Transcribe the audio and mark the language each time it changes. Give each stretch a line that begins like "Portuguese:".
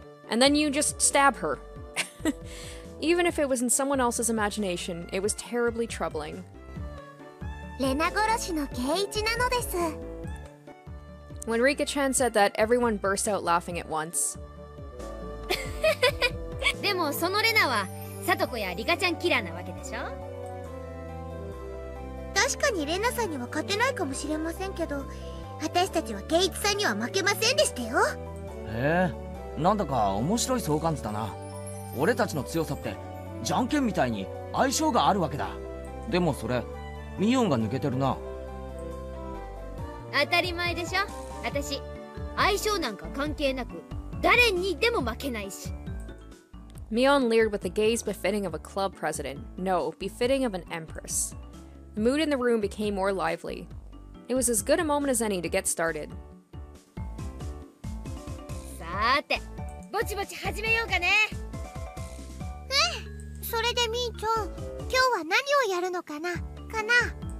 English: And then you just stab her. Even if it was in someone else's imagination, it was terribly troubling.
Japanese: Rena 殺しの Keiichi なのです。
English: When Rika-chan said that, everyone burst out laughing at once.
Japanese: でもそのレナは…サトコやリカちゃんキラーなわけでしょ。確かにレナさんには勝てないかもしれませんけど、私たちはケイチさんには負けませんでしたよ。へえ、なんだか面白い相関図だな。俺たちの強さってじゃんけんみたいに相性があるわけだ。でもそれミヨンが抜けてるな。当たり前でしょ。私相性なんか関係なく誰にでも負けないし。
English: Mion leered with the gaze befitting of a club president. No, befitting of an empress. The mood in the room became more lively. It was as good a moment as any to get started.
Japanese: さて、ぼちぼち始めようかね。うん、それでみーちゃん、今日は何をやるのかな、かな。